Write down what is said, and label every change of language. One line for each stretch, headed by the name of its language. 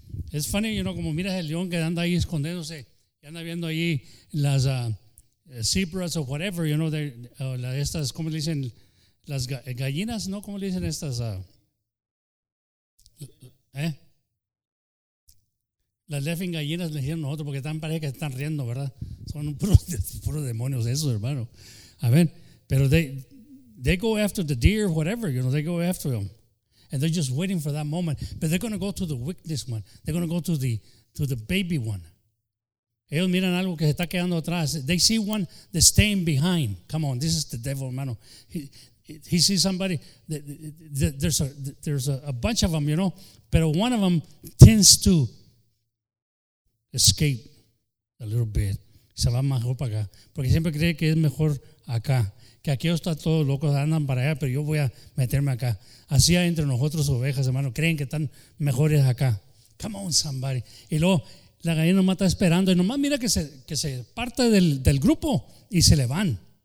English: It's funny, you know,
Spanish: como miras el león que anda ahí escondiéndose y anda viendo ahí las zebras o
English: whatever, you know,
Spanish: estas, ¿cómo le dicen? Las gallinas, ¿no? ¿Cómo le dicen estas? Las laughing gallinas le dijeron nosotros porque están, parece que están riendo, ¿verdad? Son puros demonios esos, hermano. Amén.
English: Pero they go after the deer, whatever, you know, they go after them. And they're just waiting for that moment. But they're going to go to the weakness one. They're going to go to the baby one.
Spanish: Ellos miran algo que se está quedando atrás.
English: They see one that's staying behind. Come on, this is the devil, hermano. He sees somebody, there's a bunch of them, you know, but one of them tends to escape a little bit.
Spanish: Se va mejor para acá. Porque siempre cree que es mejor acá. Que aquí está todo loco, andan para allá, pero yo voy a meterme acá. Así hay entre nosotros ovejas, hermano. Creen que están mejores acá.
English: Come on, somebody.
Spanish: Y luego la gallina nomás está esperando. Y nomás mira que se parte del grupo y se le van.